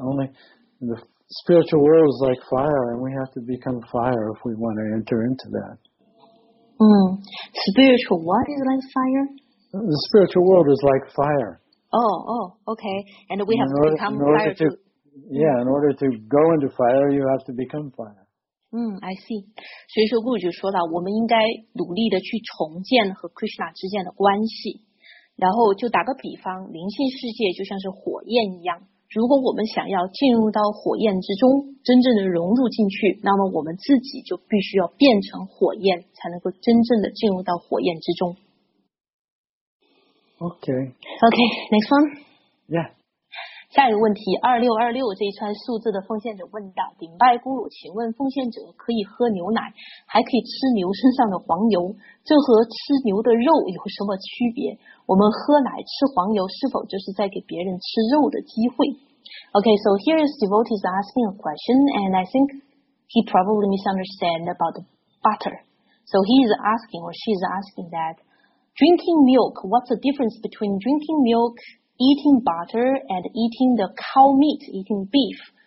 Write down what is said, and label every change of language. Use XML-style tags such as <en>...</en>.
<en>Only the spiritual world is like fire, and we have to become fire if we want to enter into that. Spiritual what is like fire? The spiritual world is like fire. Okay. And we have to become fire too. Yeah, in order to go into fire, you have to become fire. I see.</en> <zh>所以说顾主说到我们应该努力的去重建和 Krishna 之间的关系。然后就打个比方，灵性世界就像是火焰一样。如果我们想要进入到火焰之中，真正的融入进去，那么我们自己就必须要变成火焰，才能够真正的进入到火焰之中。</zh> <en>Okay, next one. Yeah.</en> <zh>下一个问题，2626这一串数字的奉献者问道：顶拜咕噜，请问奉献者可以喝牛奶，还可以吃牛身上的黄油，这和吃牛的肉有什么区别？我们喝奶吃黄油是否就是在给别人吃肉的机会？</zh> <en>Okay, so here is devotees asking a question, and I think he probably misunderstand about the butter. So he is asking, or she is asking that,drinking milk, what's the difference between drinking milk, eating butter, and eating the cow meat, eating beef?</en>